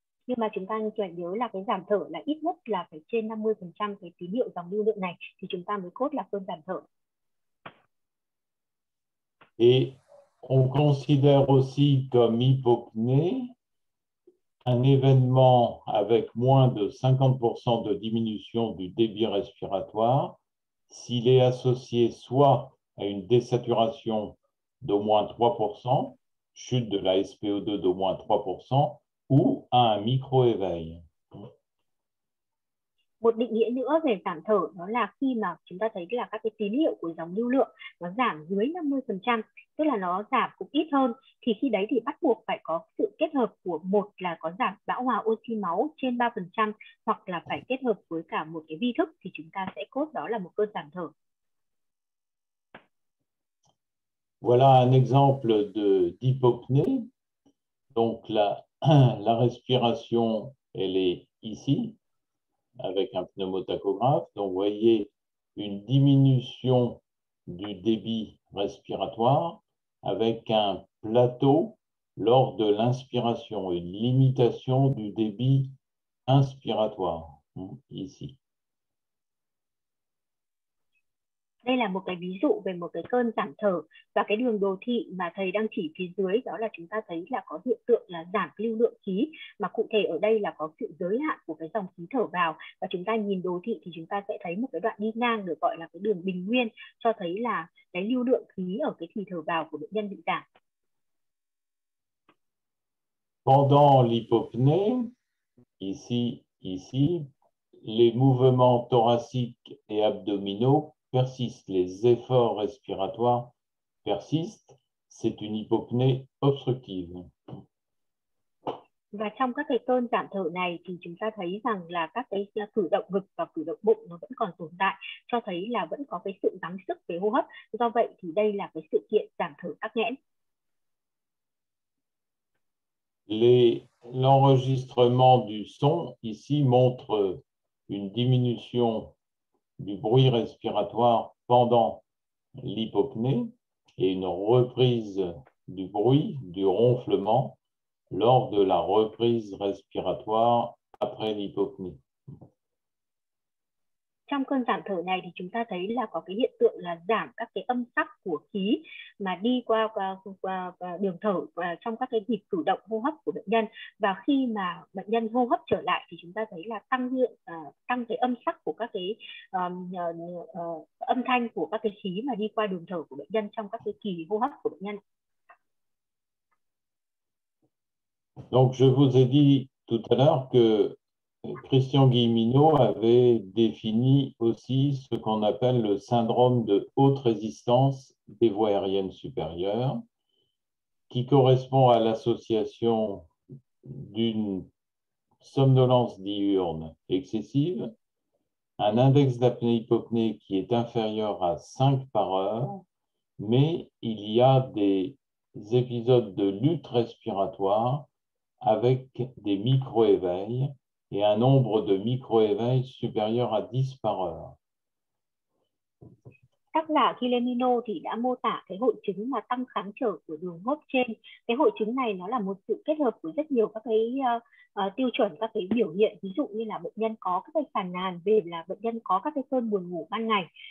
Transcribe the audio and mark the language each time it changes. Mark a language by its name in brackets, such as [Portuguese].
[Vietnamese] Nhưng mà chúng ta phải nhớ là cái giảm thở là ít nhất là phải trên 50% cái tín hiệu dòng lưu lượng này thì chúng ta mới cốt là cơn giảm thở. [French] Et on considère aussi comme hypopnée un événement avec moins de 50% de diminution du débit respiratoire s'il est associé soit à une désaturation d'au moins 3%, chute de la SpO2 d'au moins 3%, ou à un micro-éveil. [Vietnamese] Một định nghĩa nữa về giảm thở đó là khi mà chúng ta thấy là các cái tín hiệu của dòng lưu lượng nó giảm dưới 50%, tức là nó giảm cũng ít hơn, thì khi đấy thì bắt buộc phải có sự kết hợp của một là có giảm bão hòa oxy máu trên 3% hoặc là phải kết hợp với cả một cái vi thức thì chúng ta sẽ cốt đó là một cơn giảm thở. [French] Voilà un exemple de d'hypopnée. Donc la respiration, elle est ici. Avec un pneumotachographe, donc vous voyez une diminution du débit respiratoire avec un plateau lors de l'inspiration, une limitation du débit inspiratoire, ici. [Vietnamese] Đây là một cái ví dụ về một cái cơn giảm thở và cái đường đồ thị mà thầy đang chỉ phía dưới đó là chúng ta thấy là có hiện tượng là giảm lưu lượng khí mà cụ thể ở đây là có sự giới hạn của cái dòng khí thở vào và chúng ta nhìn đồ thị thì chúng ta sẽ thấy một cái đoạn đi ngang được gọi là cái đường bình nguyên cho thấy là cái lưu lượng khí ở cái khí thở vào của bệnh nhân bị giảm. [French] Pendant l'hypopnée, ici, les mouvements thoraciques et abdominaux persiste, les efforts respiratoires persistent, c'est une hypopnée obstructive. [Vietnamese] Và trong các cái cơn giảm thở này thì chúng ta thấy rằng là các cái cử động ngực và cử động bụng nó vẫn còn tồn tại, cho thấy là vẫn có cái sự gắng sức về hô hấp, do vậy thì đây là cái sự kiện giảm thở tắc nghẽn. [French] L'enregistrement du son ici montre une diminution du bruit respiratoire pendant l'hypopnée et une reprise du bruit, du ronflement, lors de la reprise respiratoire après l'hypopnée. [Vietnamese] Trong cơn giảm thở này thì chúng ta thấy là có cái hiện tượng là giảm các cái âm sắc của khí mà đi qua đường thở và trong các cái nhịp cử động hô hấp của bệnh nhân, và khi mà bệnh nhân hô hấp trở lại thì chúng ta thấy là tăng cái âm sắc của các cái âm thanh của các cái khí mà đi qua đường thở của bệnh nhân trong các cái kỳ hô hấp của bệnh nhân. [French] Donc je vous ai dit tout à l'heure que Christian Guilleminot avait défini aussi ce qu'on appelle le syndrome de haute résistance des voies aériennes supérieures, qui correspond à l'association d'une somnolence diurne excessive, un index d'apnée-hypopnée qui est inférieur à 5 par heure, mais il y a des épisodes de lutte respiratoire avec des micro-éveils, et un nombre de micro-éveils supérieur à 10 par heure. [Vietnamese] Tác giả Guilleminot thì đã mô tả cái hội chứng mà tăng kháng trở của đường hô hấp trên. Cái hội chứng này nó là một sự kết hợp của rất nhiều các cái tiêu chuẩn, các cái biểu hiện. Ví dụ như là bệnh nhân có các cái phàn nàn về là bệnh nhân có các cái cơn buồn ngủ ban ngày.